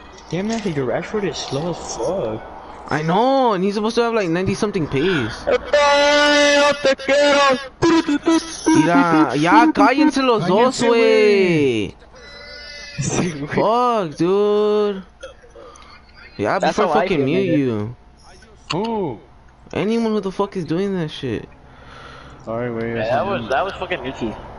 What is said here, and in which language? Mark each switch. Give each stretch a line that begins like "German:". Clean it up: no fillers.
English: Damn, man, your Rashford is slow as fuck. I know, and he's supposed to have like 90 something pace.
Spanish: Mira, ya cállense los dos, wey.
English: Fuck, dude. Yeah, before I fucking mute you. Who? Anyone who the fuck is doing that shit? Sorry, wait. Yeah, that was fucking Nicky.